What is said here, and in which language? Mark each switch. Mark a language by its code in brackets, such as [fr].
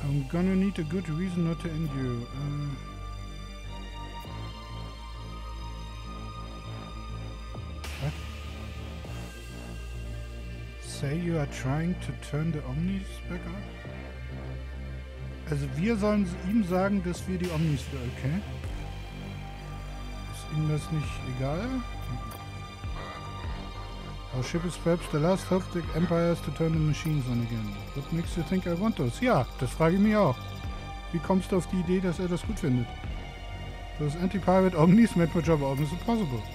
[en] gonna need a good reason not to end you. What? Say you are trying to turn the Omnis back on? [de] Also wir sollen ihm sagen, dass wir die Omnis für, okay? Ist ihm das nicht egal? [en] Our ship is perhaps the last hope the Empire has to turn the machines on again. What makes you think I want those? [de] Ja, das frage ich mich auch. Wie kommst du auf die Idee, dass er das gut findet? [en] Those anti-pirate Omnis made my job almost impossible.